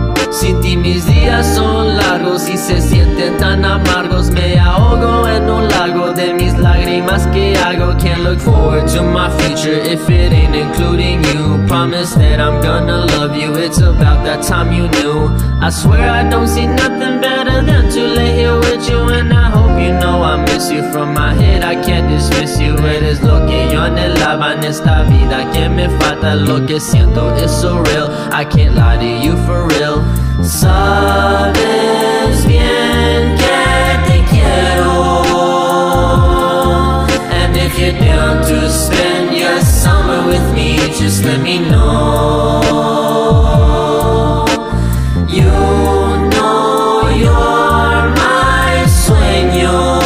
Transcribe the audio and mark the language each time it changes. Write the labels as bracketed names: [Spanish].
[Spanish] Sin ti mis días son largos y se sienten tan amargos. Me ahogo en un lago de mis lágrimas que hago. [English] Can't look forward to my future if it ain't including you. Promise that I'm gonna love you, it's about that time you knew. I swear I don't see nothing better than to lay here with you. And I hope you know I miss you. From my head I can't dismiss you. [Spanish] Eres lo que yo anhelaba en esta vida que me falta. Lo que siento es [English] so real, I can't lie to you for real. [Spanish] Sabes bien que te quiero. [English] And if you're down to spend your summer with me, just let me know. You know you're my sueño.